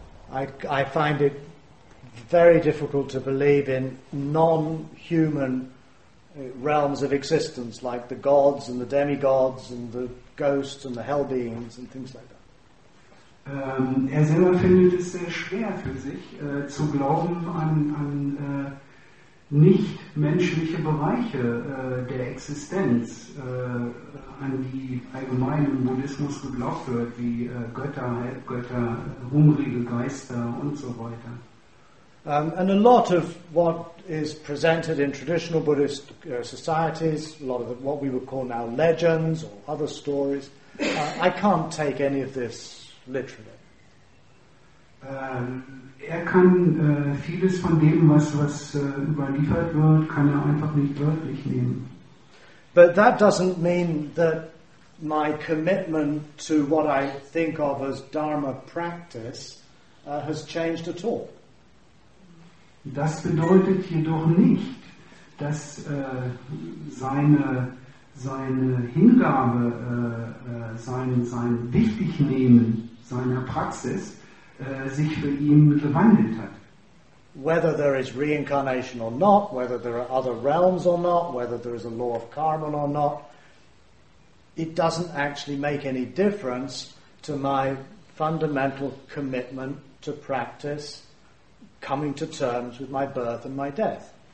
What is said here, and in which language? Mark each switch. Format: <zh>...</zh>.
<en>I find it very difficult to believe in non-human realms of existence, like the gods and the demigods and the ghosts and the hell beings and things like that.</en> <de>Er selber findet es sehr schwer für sich, zu glauben an nicht-menschliche Bereiche der Existenz, an die allgemein im Buddhismus geglaubt wird, wie Götter, Halbgötter, hungrige Geister und so weiter.</de> <en>And a lot of what is presented in traditional Buddhist societies, a lot of what we would call now legends or other stories, I can't take any of this literally.</en> <de>Er kann vieles von dem, was überliefert wird, kann er einfach nicht wörtlich nehmen.</de> <en>But that doesn't mean that my commitment to what I think of as Dharma practice has changed at all.</en> <de>Das bedeutet jedoch nicht, dass seine Hingabe, sein Wichtignehmen seiner Praxis sich für ihn gewandelt hat.</de> <en>Whether there is reincarnation or not, whether there are other realms or not, whether there is a law of karma or not, it doesn't actually make any difference to my fundamental commitment to practice, coming to terms with my birth and my death.</en>